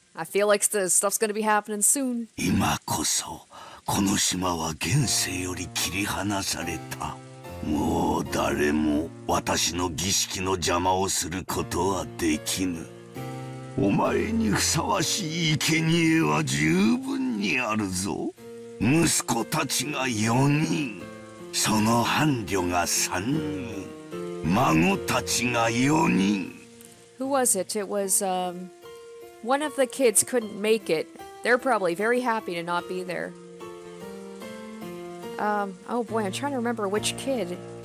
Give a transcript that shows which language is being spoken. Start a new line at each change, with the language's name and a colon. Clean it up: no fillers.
English: I feel like the stuff's going to be happening soon.
Japanese: 今こそ この島は現世より切り離された。もう誰も私の儀式の邪魔をすることはできぬ。お前にふさわしい生贄は十分にあるぞ。息子たちが4人、その伴侶が3人、孫たちが4人。
English: Who was it? It was one of the kids couldn't make it. They're probably very happy to not be there. Oh boy, I'm trying to remember which kid.